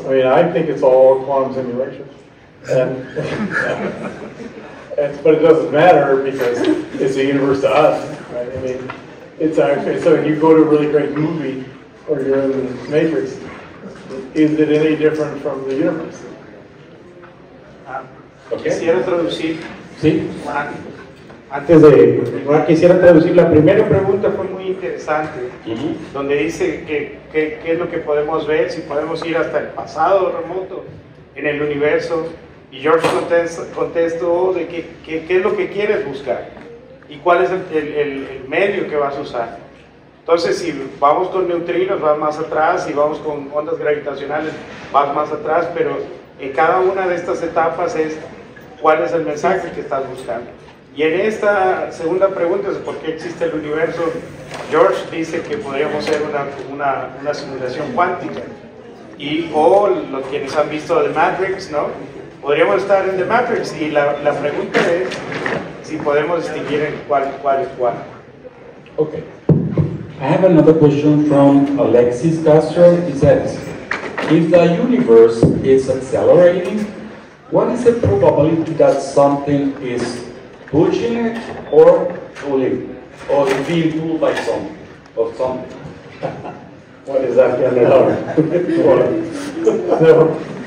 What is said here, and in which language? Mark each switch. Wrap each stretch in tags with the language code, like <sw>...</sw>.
<en>I mean, I think it's all quantum simulations. But it doesn't matter because it's the universe to us, right? I mean, it's actually, so you go to a really great movie or you're in the Matrix, is it any different from the universe?</en> <es>Quisiera traducir la primera pregunta, fue muy interesante, donde dice que es lo que podemos ver, si podemos ir hasta el pasado remoto en el universo, y George contestó de qué es lo que quieres buscar y cuál es el medio que vas a usar. Entonces, si vamos con neutrinos vas más atrás, si vamos con ondas gravitacionales vas más atrás, pero en cada una de estas etapas es cuál es el mensaje que estás buscando. Y en esta segunda pregunta es por qué existe el universo. George dice que podríamos ser una simulación cuántica. Y los quienes han visto The Matrix, ¿no? Podríamos estar en The Matrix. Y la pregunta es si podemos distinguir cuál es cuál.</es> <en>Okay. I have another question from Alexis Castro. He says, if the universe is accelerating, what is the probability that something is pushing it or pulling, or being pulled by something? What is that going to help?</en>